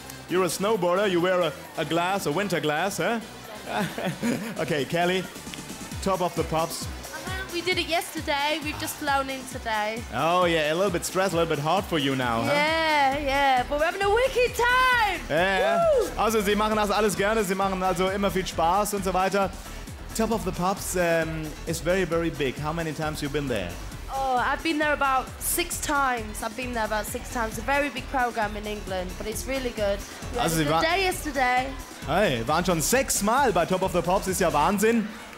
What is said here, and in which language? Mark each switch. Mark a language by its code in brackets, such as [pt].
[en] You're a snowboarder, you wear a glass, a winter glass, huh? Okay, Kelly, Top of the Pops. We did it yesterday, we've just flown in today. Oh yeah, a little bit stressed, a little bit hard for you now, huh? Yeah, yeah, but we're having a wicked time! Yeah. [de] Also, sie machen das alles gerne, sie machen also immer viel Spaß und so weiter. [en] Top of the Pops is very, very big. How many times have you been there? Oh, I've been there about six times. I've been there about six times. A very big program in England, but it's really good. [de] Also [en] the day yesterday. [de] Hey, waren schon sechs Mal bei Top of the Pops, ist ja Wahnsinn.